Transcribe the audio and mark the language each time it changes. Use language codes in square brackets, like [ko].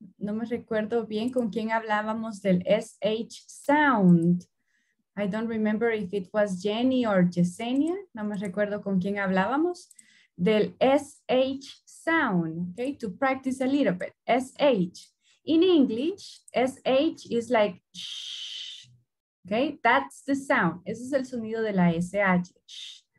[es] No me recuerdo bien con quién hablábamos del SH sound. [en] I don't remember if it was Jenny or Yesenia. [es] No me recuerdo con quién hablábamos del SH sound. [en] Okay, to practice a little bit. SH. In English, SH is like shh. Okay, that's the sound. [es] Ese es el sonido de la SH. Shh.